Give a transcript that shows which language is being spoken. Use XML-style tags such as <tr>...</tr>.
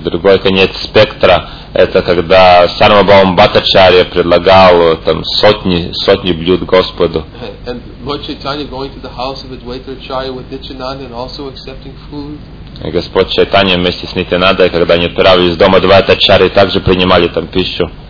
<ru>Другой конец спектра — это когда Сарвабхаума Бхаттачарья предлагал там сотни блюд Господу.</ru> <en>And Lord Chaitanya going to the house of Advaita Acharya with Nityananda and also accepting food.</en> <ru>И Господь Чайтанья вместе с Нитянандой, когда они отправились в дом Адвайта Ачарьи, также принимали там пищу.</ru>